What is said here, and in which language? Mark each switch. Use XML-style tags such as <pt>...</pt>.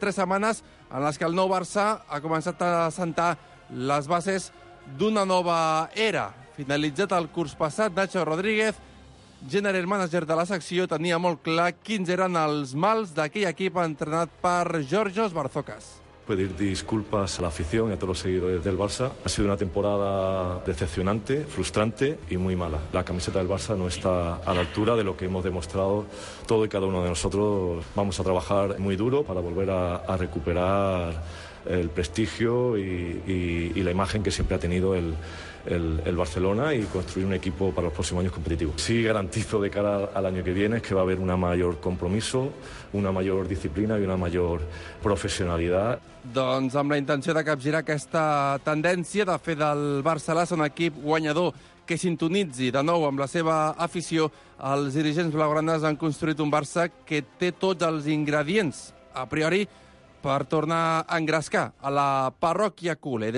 <ca>3 setmanes en les que el nou Barça ha començat a assentar les bases d'una nova era. Finalitzat el curs passat, Nacho Rodríguez, general manager de la secció, tenia molt clar quins eren els mals d'aquell equip entrenat per Georgios Barzokas.</ca> <es>Pedir disculpas a la afición y a todos los seguidores del Barça. Ha sido una temporada decepcionante, frustrante y muy mala. La camiseta del Barça no está a la altura de lo que hemos demostrado todo y cada uno de nosotros. Vamos a trabajar muy duro para volver a recuperar el prestigio y la imagen que siempre ha tenido el Barcelona y construir un equipo para los próximos años competitivo. Sí, garantizo de cara al año que viene que va a haber un mayor compromiso, una mayor disciplina y una mayor profesionalidad.</es> <ca>Doncs amb la intenció de capgirar aquesta tendència, de fer del Barcelona un equip guanyador que sintonitzi de nou amb la seva afició, els dirigents blaugranes han construït un Barça que té tots els ingredients, a priori, per tornar a engrescar a la parròquia culé.</ca>